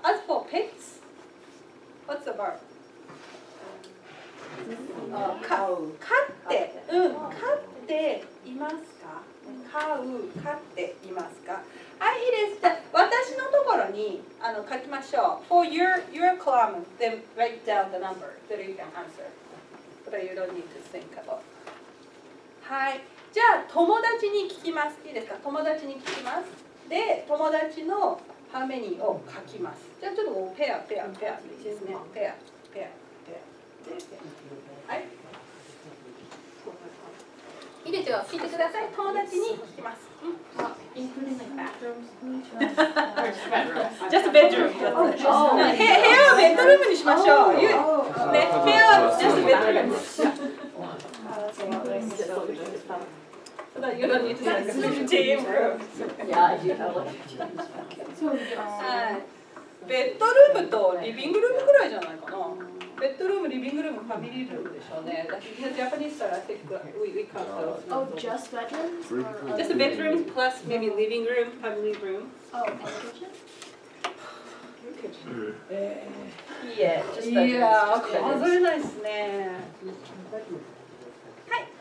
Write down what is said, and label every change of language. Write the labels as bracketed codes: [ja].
[en] As for pets, what's the word? [ja] 飼っていますか。飼っていますか。はい、いいです。私のところに書きましょう。 [en] For your column, then write down the number that you can answer. But you don't need to think about. はい。 [ja] じゃあ、友達に聞きます。いいですか？友達に聞きます。で、友達のハーメニーを書きます。じゃあ、ちょっとペアですね。ペア。はい。いいですよ、聞いてください。友達に聞きます。 [en] Just bedroom. [ja] 部屋はベッドルームにしましょう。部屋は [en] just bedroom. So you don't need to change room. [ja] ベッドルームとリビングルームくらいじゃないかな。ベッドルーム、リビングルーム、ファミリールームでしょうね。 [en] Because Japanese style, I think we count those. Oh, just bedrooms? Just bedrooms plus maybe living room, family room. Oh, and kitchen? Yeah, just bedrooms. Yeah, okay. [ja] 数えないですね。はい。